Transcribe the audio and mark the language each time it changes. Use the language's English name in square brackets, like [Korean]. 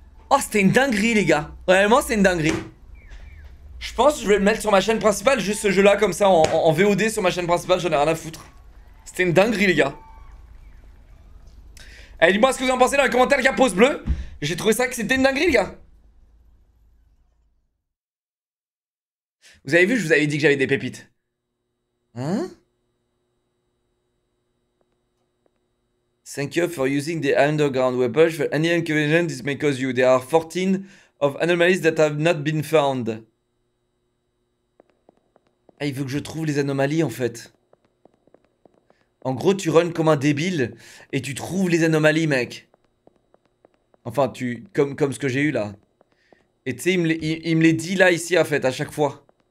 [French] Oh, c'était une dinguerie, les gars. Vraiment, c'est une dinguerie. Je pense que je vais le mettre sur ma chaîne principale, juste ce jeu-là, comme ça, en VOD sur ma chaîne principale. J'en ai rien à foutre. C'était une dinguerie, les gars. Allez, dites-moi ce que vous en pensez dans les commentaires, les gars. Pouce bleu. J'ai trouvé ça que c'était une dinguerie, les gars. Vous avez vu, je vous avais dit que j'avais des pépites. Hein? [English] Thank you for using the underground weapon for any inconvenience this may cause you. There are 14 of anomalies that have not been found. [French] Ah, il veut que je trouve les anomalies en fait. En gros, tu runs comme un débile et tu trouves les anomalies, mec. Enfin, tu comme ce que j'ai eu là. Et tu sais, il me les dit là, ici, en fait, à chaque fois.